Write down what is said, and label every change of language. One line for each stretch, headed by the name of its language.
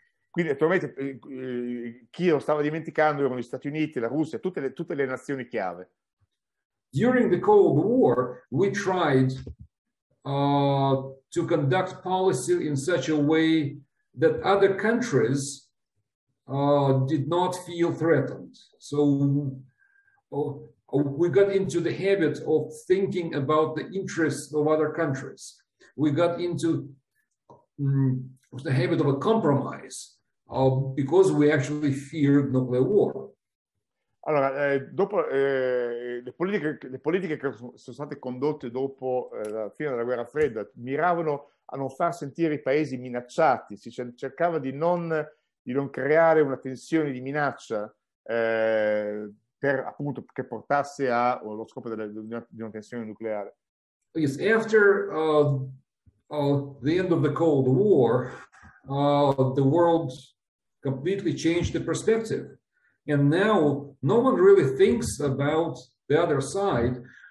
Italian: Quindi, naturalmente, chi lo stava dimenticando erano gli Stati Uniti, la Russia, tutte le nazioni chiave.
English: During the Cold War, we tried to conduct policy in such a way that other countries did not feel threatened. So we got into the habit of thinking about the interests of other countries. We got into the habit of a compromise because we actually feared nuclear war.
Italian: Allora, dopo le politiche che sono state condotte dopo la fine della guerra fredda miravano a non far sentire i paesi minacciati, si cercava di non creare una tensione di minaccia per appunto che portasse allo scopo di una tensione nucleare.
English: Yes, after the end of the Cold War, the world completely changed the perspective. And now no one really thinks about the other side.